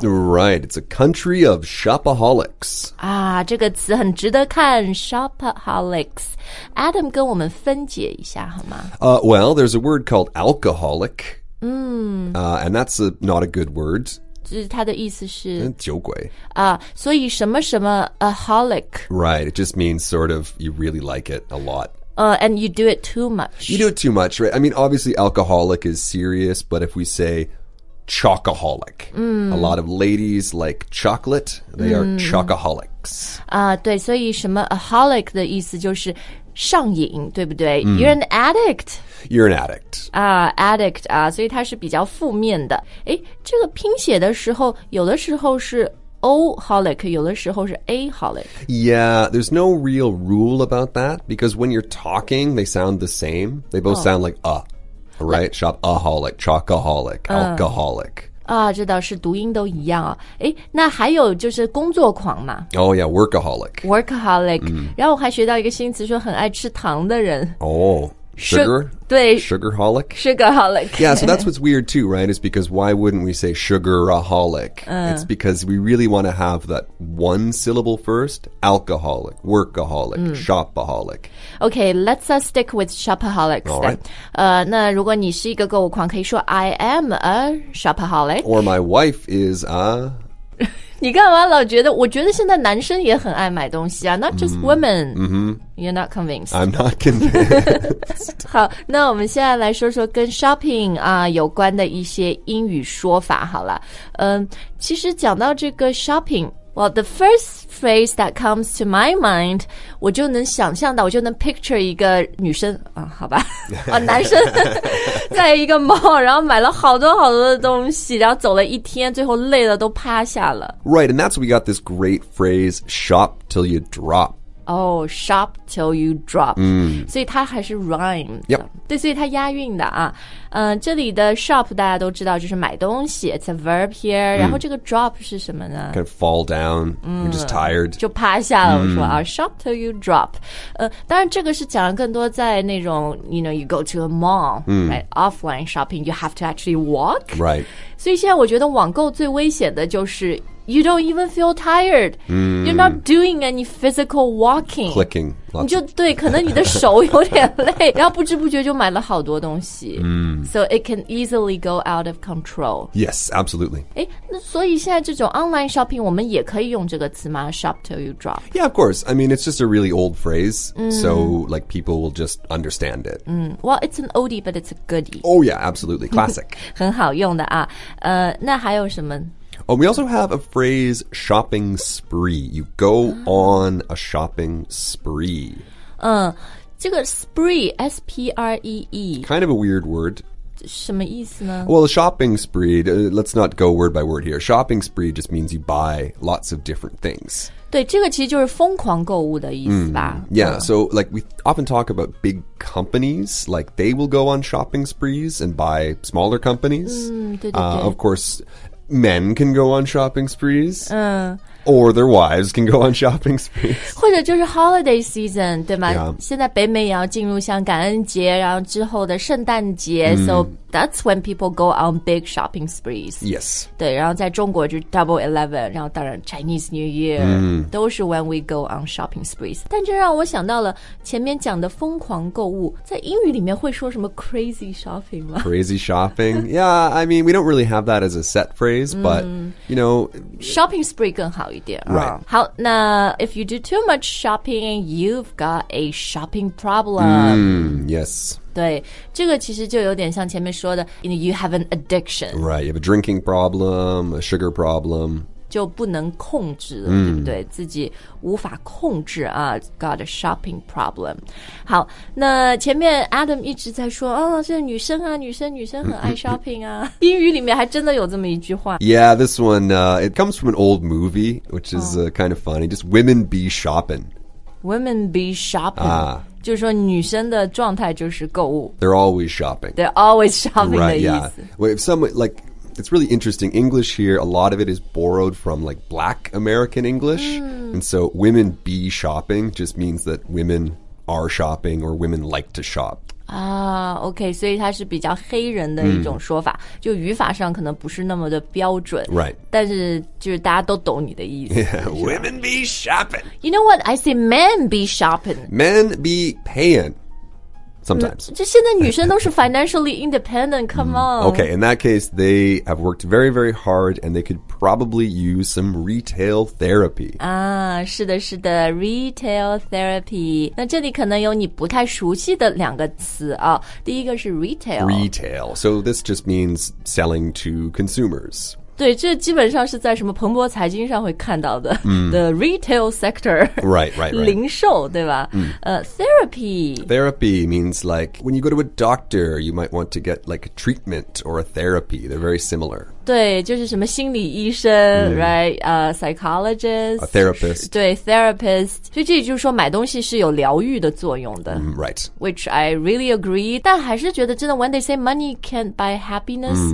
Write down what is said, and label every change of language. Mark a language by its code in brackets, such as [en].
[en] Right, it's a country of shopaholics. [zh] 啊，这个词很值得看 shopaholics. Adam 跟我们分解一下好吗、 [en] Well, there's a word called alcoholic. 嗯、 And that's not a good word. [zh] 它的意思是酒鬼。啊、所以什么什么 aholic. [en] Right, it just means sort of you really like it a lot. And you do it too much. You do it too much, right? I mean, obviously, alcoholic is serious, but if we say chocoholic,、a lot of ladies like chocolate, they、are chocoholics. [zh] 啊、对，所以什么 aholic 的意思就是上瘾，对不对、 [en] You're an addict. You're an addict. [zh] 啊、addict 啊、所以它是比较负面的。诶，这个拼写的时候，有的时候是O-holic, 有的时候是 A-holic. [en] Yeah, there's no real rule about that, because when you're talking, they sound the same. They both、sound like a, right? Like, shop-aholic, chocoholic, alcoholic. [zh] 啊、这倒是读音都一样啊。诶，那还有就是工作狂嘛。 [en] Oh yeah, workaholic. [zh] Workaholic.、然后我还学到一个新词，说很爱吃糖的人。 [en] Sugar? [zh] 对 [en] Sugarholic? Sugarholic. Yeah, so that's what's weird too, right? It's because why wouldn't we say sugaraholic?、It's because we really want to have that one syllable first. Alcoholic, workaholic,、shopaholic. Okay, let's、stick with shopaholics. All right.、 [zh] 那如果你是一个购物狂可以说 [en] I am a shopaholic. Or my wife is a... [zh] 你干嘛老觉得我觉得现在男生也很爱买东西啊 [en] Not just women. You're not convinced. I'm not convinced. [zh] 好，那我们现在来说说跟 shopping 啊有关的一些英语说法好了。其实讲到这个 shopping, [en] well, the first phrase that comes to my mind, [zh] 我就能想象到，我就能 picture 一个女生啊，好吧，啊，男生在一个 mall, 然后买了好多好多的东西，然后走了一天，最后累了都趴下了。 [en] Right, and that's when we got this great phrase, shop till you drop. Oh, shop till you drop.、 Mm. [zh] 所以它还是 rhyme. [en] Yep. [zh] 对，所以它押韵的啊。这里的 shop 大家都知道就是买东西 [en] It's a verb here、 [zh] mm. 然后这个 drop 是什么呢 [en] Kind of fall down、mm. You're just tired [zh] 就趴下了、mm. 说啊 [en] Shop till you drop、 [zh] 当然这个是讲更多在那种 [en] You know, you go to a mall、 mm. right? Offline shopping You have to actually walk Right [zh] 所以现在我觉得网购最危险的就是 [en] You don't even feel tired、 mm. You're not doing any physical walking Clicking [zh] 你就对可能你的手有点累然后不知不觉就买了好多东西、 mm. [en] So it can easily go out of control Yes, absolutely [zh] 诶那所以现在这种 online shopping 我们也可以用这个词吗 [en] Shop till you drop Yeah, of course I mean, it's just a really old phrase、mm. So like people will just understand it、 mm. Well, it's an oldie but it's a goodie Oh yeah, absolutely, classic [zh] 很好用的啊那还有什么 [en] Oh, we also have a phrase, shopping spree. You go on a shopping spree. [zh] 这个 spree, S-P-R-E-E. [en] Kind of a weird word. [zh] 什么意思呢? [en] Well, a shopping spree, let's not go word by word here. Shopping spree just means you buy lots of different things. [zh] 对,这个其实就是疯狂购物的意思吧。 [en] Yeah, so like we often talk about big companies, like they will go on shopping sprees and buy smaller companies. [zh] 对对对。 [en] Of course... Men can go on shopping sprees. 嗯 Or their wives can go on shopping sprees. [zh] 或者就是 holiday season, 对吗、 [en] yeah. [zh] 现在北美也要进入像感恩节然后之后的圣诞节、mm. [en] So that's when people go on big shopping sprees. Yes. [zh] 对然后在中国就 Double Eleven, 然后当然 Chinese New Year,、 mm. 都是 [en] when we go on shopping sprees. [zh] 但这让我想到了前面讲的疯狂购物在英语里面会说什么 crazy shopping 吗 [en] Crazy shopping? Yeah, I mean, we don't really have that as a set phraseBut, you know... [zh] Shopping spree 更好一点。 [en] Right. [zh] 好,那 [en] if you do too much shopping, you've got a shopping problem. Mm, yes. [zh] 对,这个其实就有点像前面说的, [en] you know, you have an addiction. Right, you have a drinking problem, a sugar problem. [zh] 就不能控制了、mm. 对不对自己无法控制啊 [en] got a shopping problem [zh] 好那前面 Adam 一直在说、哦、这女生啊女生很爱 shopping 啊英语里面还真的有这么一句话 [en] Yeah this one、it comes from an old movie which is、kind of funny just women be shopping Women be shopping、 [zh] 就是说女生的状态就是购物 [en] They're always shopping They're always shopping right, [zh] 的意思、 [en] yeah. Wait, if someone likeIt's really interesting. English here, a lot of it is borrowed from like black American English.、 Mm. And so women be shopping just means that women are shopping or women like to shop. Ah, okay. [zh] 所以它是比较黑人的一种说法、mm. 就语法上可能不是那么的标准。 [en] Right. [zh] 但是就是大家都懂你的意思。 [en] Yeah, women be shopping. You know what? I say men be shopping. Men be paying. Sometimes. [zh] 就现在女生都是 [en] financially independent, come on. Okay, in that case, they have worked very, very hard and they could probably use some retail therapy. [zh] 啊，是的，是的 ,retail therapy. 那这里可能有你不太熟悉的两个词啊、哦。第一个是 retail. [en] Retail. So this just means selling to consumers. [zh] 对这基本上是在什么彭博财经上会看到的、 mm. [en] The retail sector Right [zh] 零售对吧、 mm. [en] Therapy Therapy means like When you go to a doctor You might want to get like a treatment or a therapy They're very similar [zh] 对就是什么心理医生、mm. [en] Right Psychologist A therapist [zh] 对 therapist 所以这也就是说买东西是有疗愈的作用的、 [en] mm, Right Which I really agree [zh] 但还是觉得真的 [en] When they say money can't buy happiness、